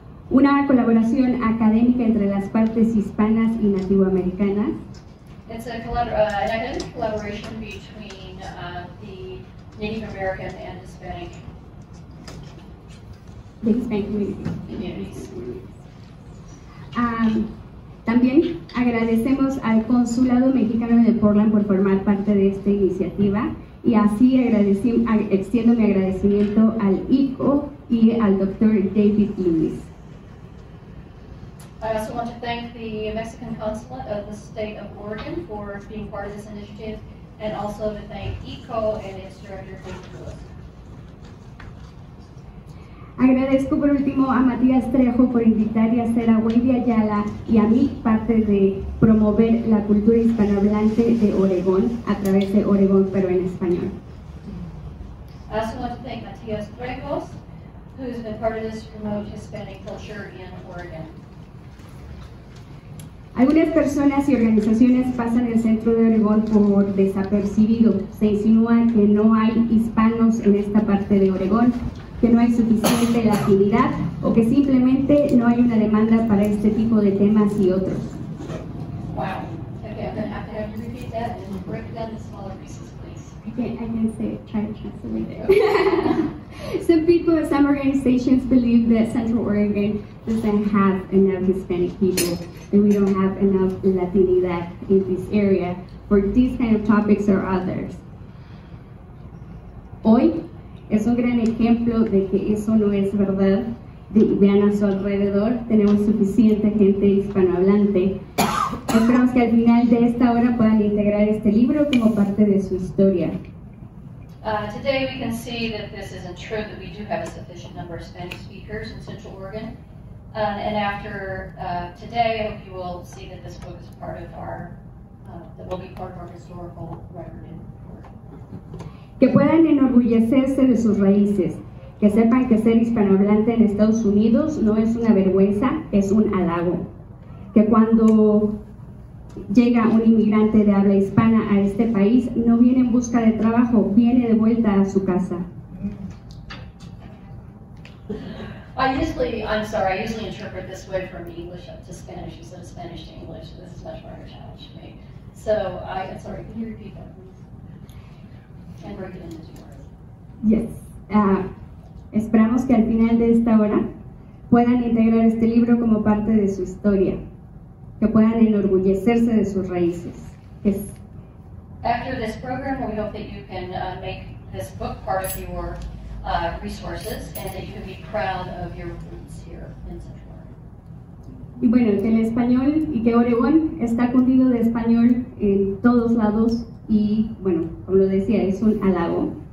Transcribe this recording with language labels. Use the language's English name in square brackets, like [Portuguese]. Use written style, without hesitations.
[Spanish] una colaboración académica entre las partes hispanas y nativoamericanas. [English] It's a collaboration between the Native American and Hispanic communities. [Spanish] También agradecemos al Consulado Mexicano de Portland por formar parte de esta iniciativa. Y así extiendo mi agradecimiento al ICO y al Dr. David Lewis. [English] I also want to thank the Mexican Consulate of the State of Oregon for being part of this initiative, and also to thank ICO and its director, David Lewis. [Spanish] Agradezco por último a Matías Trejo por invitar y hacer a Wendy Ayala y a mí parte de promover la cultura hispanohablante de Oregón a través de Oregón, pero en español. [English] I also want to thank Matías Trejo, who has been part of this to promote Hispanic culture in Oregon. [Spanish] Algunas personas y organizaciones pasan el centro de Oregón por desapercibido. Se insinúa que no hay hispanos en esta parte de Oregón, que no hay suficiente latinidad, o que simplemente no hay una demanda para este tipo de temas y otros. [English] Wow. Okay, I'm going to have to have you repeat that and break down the smaller pieces, please. I can't say it. Try to translate it. Some people and some organizations believe that Central Oregon doesn't have enough Hispanic people, and we don't have enough latinidad in this area for these kind of topics or others. [Spanish] Hoy es un gran ejemplo de que eso no es verdad. Vean a su alrededor, tenemos suficiente gente hispanohablante. Esperamos que al final de esta hora puedan integrar este libro como parte de su historia. [English] Today we can see that this isn't true, that we do have a sufficient number of Spanish speakers in Central Oregon. And after today, I hope you will see that this book is part of our, that will be part of our historical record. [Spanish] Que puedan enorgullecerse de sus raíces, Que sepan que ser hispanohablante en Estados Unidos no es una vergüenza, es un halago. Que cuando llega un inmigrante de habla hispana a este país, no viene en busca de trabajo, viene de vuelta a su casa. [English] I usually interpret this way from English up to Spanish instead of Spanish to English. This is much more of a challenge to me. So, can you repeat that, please? And break it into two words. Yes. [Spanish] Esperamos que al final de esta hora puedan integrar este libro como parte de su historia, que puedan enorgullecerse de sus raíces. [English] Yes. After this program, we hope that you can make this book part of your resources and that you can be proud of your roots here in Central. [Spanish] Y bueno, que el español y que Oregón está cundido de español en todos lados y bueno, como lo decía, es un halago.